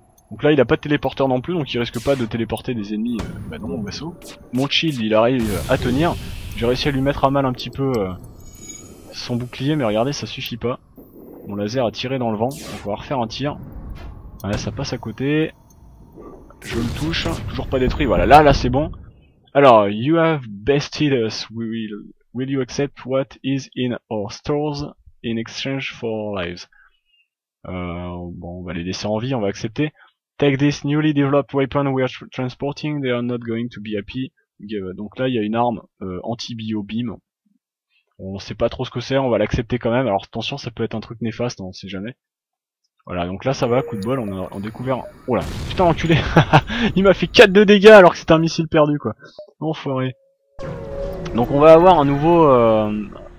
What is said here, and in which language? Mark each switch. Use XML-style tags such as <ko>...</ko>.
<fr>Donc là il a pas de téléporteur non plus, donc il risque pas de téléporter des ennemis bah, dans mon vaisseau. Mon shield il arrive à tenir, j'ai réussi à lui mettre à mal un petit peu son bouclier, mais regardez ça suffit pas. Mon laser a tiré dans le vent, on va refaire un tir. Voilà, ça passe à côté. Je le touche, toujours pas détruit, voilà, là c'est bon.</fr> <en>Alors, you have bested us, will you accept what is in our stores in exchange for lives?</en> <fr>Bon, on va les laisser en vie, on va accepter.</fr> <en>Take this newly developed weapon we are transporting, they are not going to be happy.</en> <fr>Donc là, il y a une arme anti-bio-beam. On sait pas trop ce que c'est, on va l'accepter quand même. Alors attention, ça peut être un truc néfaste, on sait jamais. Voilà, donc là ça va, coup de bol, on a découvert... Oh là, putain enculé. Il m'a fait 4 de dégâts alors que c'était un missile perdu, quoi. Enfoiré. Donc on va avoir un nouveau...</fr>